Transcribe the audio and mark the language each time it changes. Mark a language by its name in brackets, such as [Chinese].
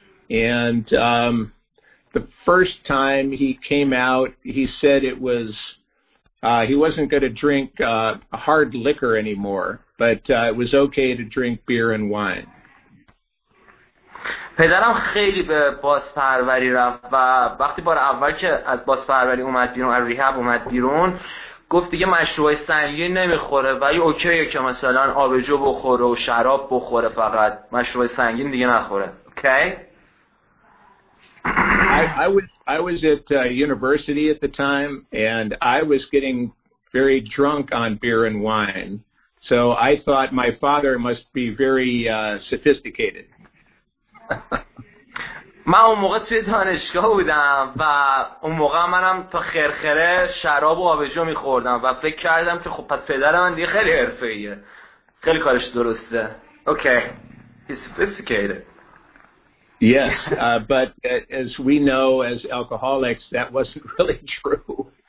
[English] And the first time he came out, he said it was he wasn't going to drink hard liquor anymore, but it was okay to drink beer and wine. [Persian] پدرم خیلی به بازپروری رفت و وقتی بار اول که از بازپروری اومد بیرون، از ریهب اومد بیرون، گفت دیگه مشروبای سنگین نمیخوره ولی اوکیه که مثلا آبجو بخوره و شراب بخوره، فقط مشروبای سنگین دیگه نخوره. اوکی. [English] I was at university at the time and I was getting very drunk on beer and wine. So I thought my father must be very sophisticated. [Persian] من اون موقع توی دانشگاه بودم و اون موقع منم تا خرخره شراب و آبجو میخوردم و فکر کردم که خب پس پدر من دیگه خیلی حرفه‌ایه، خیلی کارش درسته. [English] Okay. He's sophisticated. Yes, but as we know as alcoholics, that wasn't really true.